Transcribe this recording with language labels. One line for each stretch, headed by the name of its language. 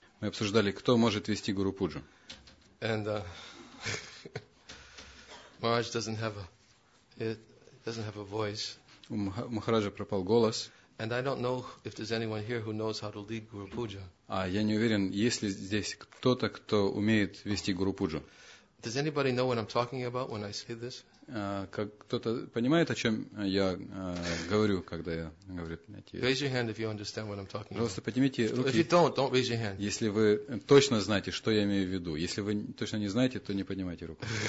Russian: Мы обсуждали, кто может вести гуру пуджу.
English: And Maharaj doesn't have a voice.
Russian: У Махараджа пропал голос.
English: And I don't know if there's anyone here who knows how to lead guru puja.
Russian: А я не уверен, есть ли здесь кто-то, кто умеет вести гуру пуджу.
English: Does anybody know what I'm talking about when I say this?
Russian: Как кто-то понимает, о чем я говорю, когда я говорю эти.
English: Raise your hand if you understand what I'm talking about.
Russian: Просто поднимите руки.
English: If you don't raise your hand.
Russian: Если вы точно знаете, что я имею в виду, если вы точно не знаете, то не поднимайте руку.